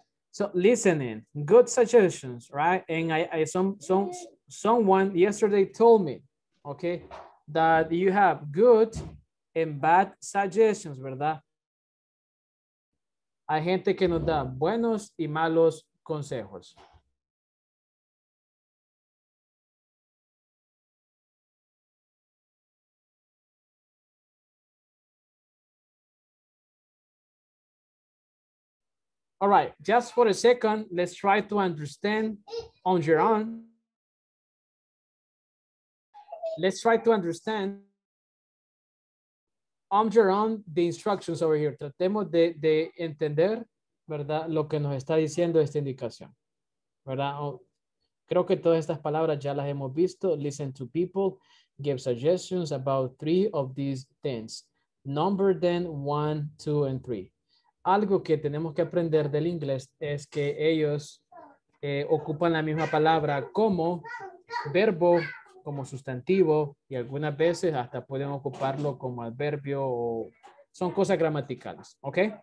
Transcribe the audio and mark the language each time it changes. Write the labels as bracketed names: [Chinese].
[English] So, listening. Good suggestions, right? And someone yesterday told me, okay, that you have good and bad suggestions, [Spanish] ¿verdad? Hay gente que nos da buenos y malos consejos. [English] All right, just for a second, let's try to understand on your own. Let's try to understand on your own the instructions over here. [Spanish] Tratemos de entender, ¿verdad?, lo que nos está diciendo esta indicación, ¿verdad? Creo que todas estas palabras ya las hemos visto. [English] Listen to people, give suggestions about three of these things. Number them 1, 2, and 3. [Spanish] Algo que tenemos que aprender del inglés es que ellos ocupan la misma palabra como verbo, como sustantivo, y algunas veces hasta pueden ocuparlo como adverbio, o son cosas gramaticales, ¿ok?